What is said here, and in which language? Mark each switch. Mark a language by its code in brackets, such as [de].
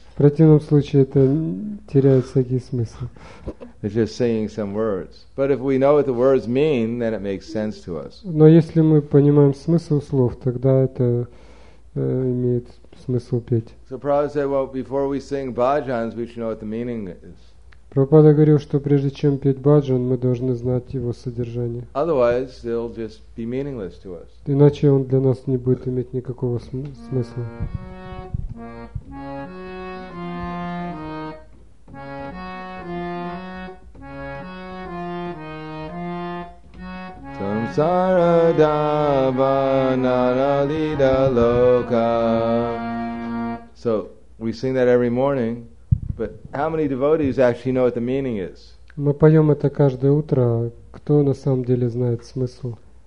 [ru] В противном случае это теряет всякий смысл. [en] It's just singing some words. But if we know what the words mean, then it makes sense to us. [ru] Но если мы понимаем смысл слов, тогда это имеет смысл петь. [en] So Prabhupada said, well, before we sing bhajans, we should know what the meaning is. [ru] Прабхупада говорил, что прежде чем петь баджан, мы должны знать его содержание. [en] Otherwise, they'll just be meaningless to us. [ru] Иначе он для нас не будет иметь никакого смысла. [sa] Samsara dava nanalida loka. [en] So, we sing that every morning. But how many devotees actually know what the meaning is? [ru] Мы поем это каждое утро. Кто на самом деле знает смысл?